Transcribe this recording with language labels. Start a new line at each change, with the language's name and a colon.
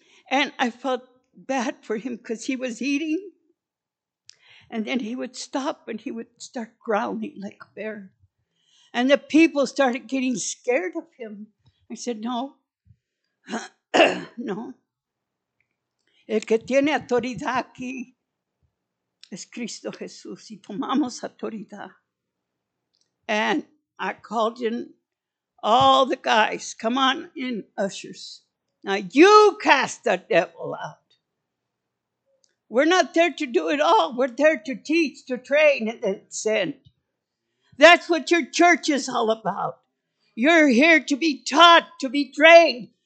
English: And I felt bad for him because he was eating. And then he would stop, and he would start growling like a bear. And the people started getting scared of him. I said, no, no.
Spanish: El que tiene autoridad aquí es Cristo Jesús, y tomamos autoridad.
English: And I called in all the guys. Come on in, ushers. Now you cast the devil out. We're not there to do it all. We're there to teach, to train, and then send. That's what your church is all about. You're here to be taught, to be trained.